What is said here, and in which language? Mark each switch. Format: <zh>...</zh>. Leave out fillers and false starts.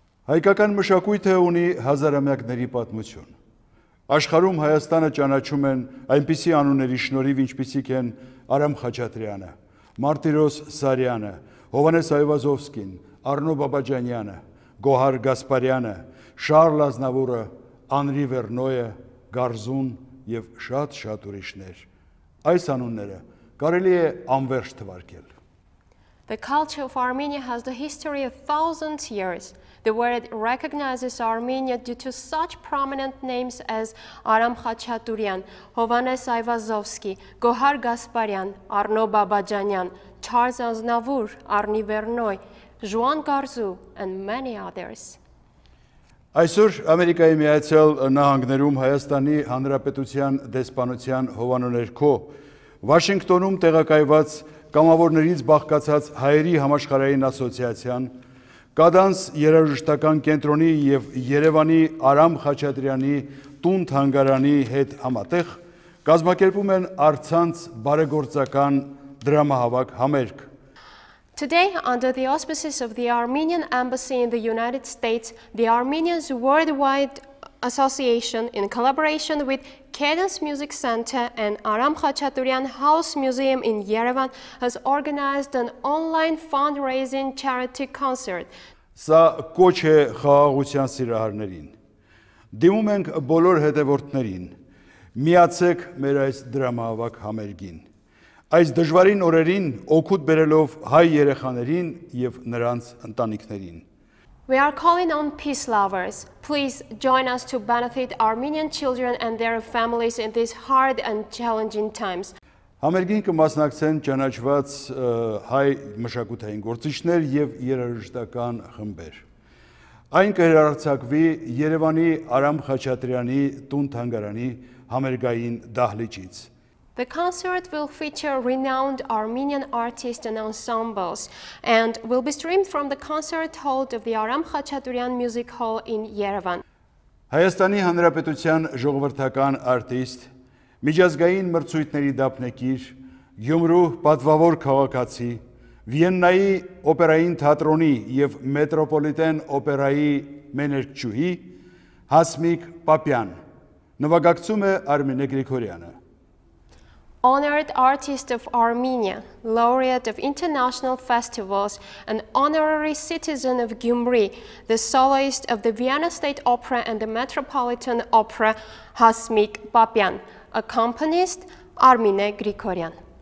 <hy>Հայկական մշակույթը ունի հազարամյակների պատմություն։ Աշխարհում Հայաստանը ճանաչում են այնպիսի անունների շնորհիվ, ինչպիսիք են Արամ Խաչատրյանը, Մարտիրոս Սարյանը, Հովհաննես Այվազովսկին, Արնո Բաբաջանյանը, Գոհար Գասպարյանը, Շարլ Ազնավուրը, Անրի Վերնոյը, Գարզուն և շատ-շատ ուրիշներ։ Այս անունները կարելի է անվերջ թվարկել։</hy> <en>The culture of Armenia has the history of thousands of years. The world recognizes Armenia due to such prominent names as Aram Khachaturian, Hovhannes Ayvazovsky, Gohar Gasparyan, Arno Babajanyan, Charles Aznavour, Arni Vernoy, Juan Garzu, and many others.</en> <hy>Այսօր Ամերիկայի Միացյալ Նահանգներում Հայաստանի Հանրապետության դեսպանության հովանուներքո Վաշինգտոնում տեղակայված կամավորներից բաղկացած հայերի համաշխարհային ասոցիացիան, Cadence երաժշտական կենտրոնի եւ Երևանի Արամ Խաչատրյանի տուն թանգարանի հետ համատեղ կազմակերպում են Արցանց բարեգործական դրամահավաք համերգ։</hy> <en>Today, under the auspices of the Armenian Embassy in the United States, the Armenians Worldwide Association, in collaboration with Cadence Music Center and Aram Khachaturian House Museum in Yerevan, has organized an online fundraising charity concert.</en> <hy>Սա կոչ է խաղաղության սիրահարներին։ Դիմում ենք բոլոր հետևորդներին։ Միացեք մեր այս դրամահավաք համերգին։ Այս դժվարին օրերին օգուտ բերելով հայ երեխաներին և նրանց ընտանիքներին։</hy> <en>We are calling on peace lovers. Please join us to benefit Armenian children and their families in these hard and challenging times.</en> <hy>Համերգին կմասնակցեն ճանաչված հայ մշակութային գործիչներ եւ երաժշտական խմբեր։ Այն կհերարցակվի Երևանի Արամ Խաչատրյանի տուն-թանգարանի համերգային դահլիճից։</hy> <en>The concert will feature renowned Armenian artists and ensembles and will be streamed from the concert hall of the Aram Khachaturian Music Hall in Yerevan.</en> <hy>Հայաստանի Հանրապետության ժողովրդական արտիստ, միջազգային մրցույթների դափնեկիր, Գյումրու պատվավոր քաղաքացի, Վիեննայի օպերային թատրոնի եւ Մետրոպոլիտեն օպերայի մենեջերի Հասմիկ Պապյան նվագակցում է Արմենե Գրիգորյանը։</hy> <en>Honored artist of Armenia, laureate of international festivals, an honorary citizen of Gyumri, the soloist of the Vienna State Opera and the Metropolitan Opera, Hasmik Papyan, accompanist Armine Grigorian.</en>